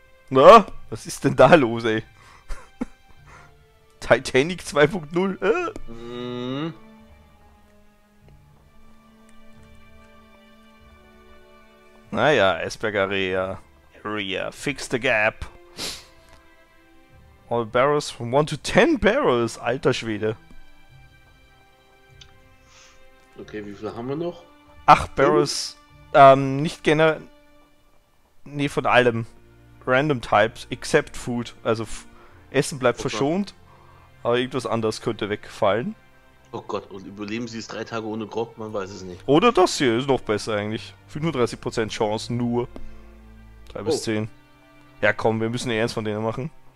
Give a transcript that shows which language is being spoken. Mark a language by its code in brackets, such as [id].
[de] Na, was ist denn da los, ey? Titanic 2.0, Naja, Eisberg Area. [en] Fix the gap. All barrels from 1 to 10 barrels, [de] alter Schwede. Okay, wie viele haben wir noch? [en] 8 barrels. [de] Nicht generell. Nee, von allem. [en] Random Types, except Food. [de] Also Essen bleibt verschont, aber irgendwas anderes könnte wegfallen. Oh Gott, und überleben sie es 3 Tage ohne Grog? Man weiß es nicht. Oder das hier ist noch besser eigentlich. 35% Chance nur. 3 bis 10. Ja komm, wir müssen ernst von denen machen.